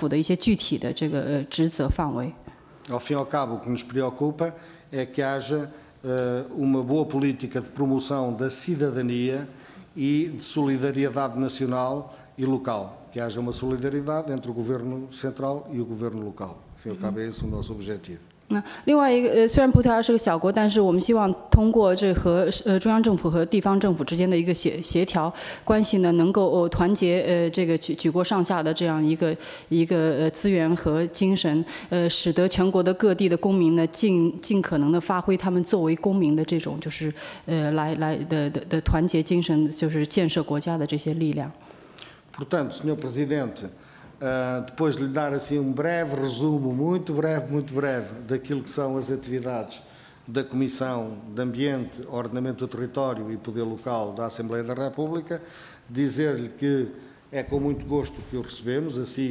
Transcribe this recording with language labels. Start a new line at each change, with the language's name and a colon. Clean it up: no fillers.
Chinese: OK，从这角度来说呢，一个是关于地方政府的这个财政法规，财政预算呢，一些如何就是执行中央的这个精神，用好公共资源来进行这个来展开对市政规划最有意义的一些工作和活动。另外呢，地方的这个土地的规划以及下放到地方的这个市政府的一些具体的这个职责。
Portuguese: Ao fim e ao cabo, o que nos preocupa é que haja uma boa política de promoção da cidadania e de solidariedade nacional e local, que haja uma solidariedade entre o governo central e o governo local. Ao fim e ao cabo, é esse o nosso objetivo.
Chinese: 另外一个，虽然葡萄牙是个小国，但是我们希望通过这和中央政府和地方政府之间的一个协调关系呢，能够团结这个举国上下的这样一个资源和精神，使得全国的各地的公民呢尽可能的发挥他们作为公民的这种就是来的团结精神，就是建设国家的这些力量。
Portuguese: Portanto, Sr. Presidente, depois de lhe dar assim um breve resumo, muito breve, daquilo que são as atividades da Comissão de Ambiente, Ordenamento do Território e Poder Local da Assembleia da República, dizer-lhe que é com muito gosto que o recebemos, à